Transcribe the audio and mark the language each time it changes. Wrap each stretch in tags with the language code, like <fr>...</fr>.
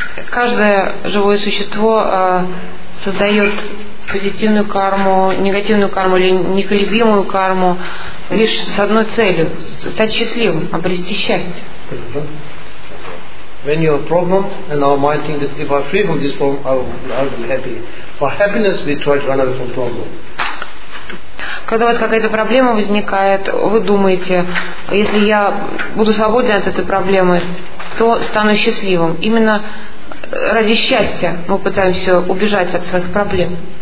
<ru>Каждое живое существо создает позитивную карму, негативную карму или неколебимую карму лишь с одной целью – стать счастливым, обрести счастье.</ru> <en>When you have a problem, and our mind thinks that if I'm free from this problem, I'll be happy. For happiness, we try to run away from problem.</en> <ru>Когда у вас какая-то проблема возникает, вы думаете, если я буду свободен от этой проблемы, то стану счастливым. Именно ради счастья мы пытаемся убежать от своих проблем.</ru>